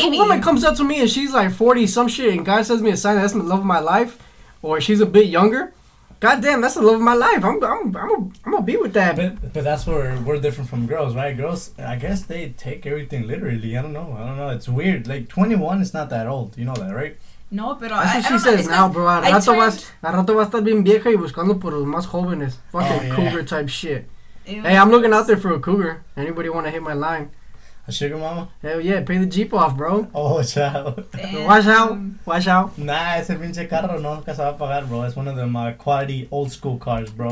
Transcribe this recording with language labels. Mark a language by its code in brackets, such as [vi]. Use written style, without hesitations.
[en] If a woman comes up to me and she's, like, 40 some shit and God sends me a sign that's the love of my life, or she's a bit younger... God damn, that's the love of my life. I'm gonna be with that. But that's where we're different from girls, right? Girls, I guess they take everything literally. I don't know. It's weird. Like 21 is not that old. You know that, right? No, pero that's what she says now, bro. [es] Al rato va a estar bien vieja y buscando por los más jóvenes. [en] Fucking cougar type shit. Hey, I'm looking out there for a cougar. Anybody want to hit my line? A sugar mama? Hell yeah, pay the Jeep off, bro. Oh, chao. Watch out. [es] Nah, ese pinche carro no nunca se va a pagar, bro. [en] It's one of them quality old school cars, bro.